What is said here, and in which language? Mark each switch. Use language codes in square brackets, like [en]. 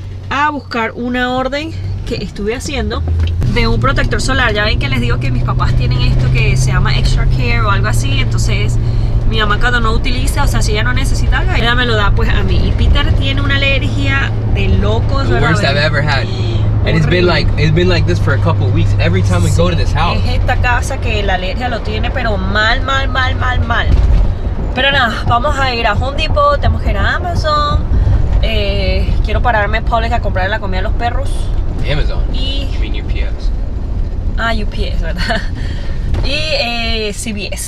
[es] A buscar una orden que estuve haciendo de un protector solar. Ya ven que les digo que mis papás tienen esto que se llama Extra Care o algo así. Entonces mi mamá cuando no utiliza, o sea, si ella no necesita, ella me lo da pues a mí. Y Peter tiene una alergia de locos. [en] The worst I've ever had. And it's been like this for a couple of weeks. Every time we go to this house. [es] Es esta casa que la alergia lo tiene, pero mal, mal, mal, mal, mal. Pero nada, vamos a ir a Home Depot, tenemos que ir a Amazon. Quiero pararme Paulette a comprar la comida a los perros. [en] Amazon. Y. You mean UPS. [es] Ah, UPS, ¿verdad? Y CVS.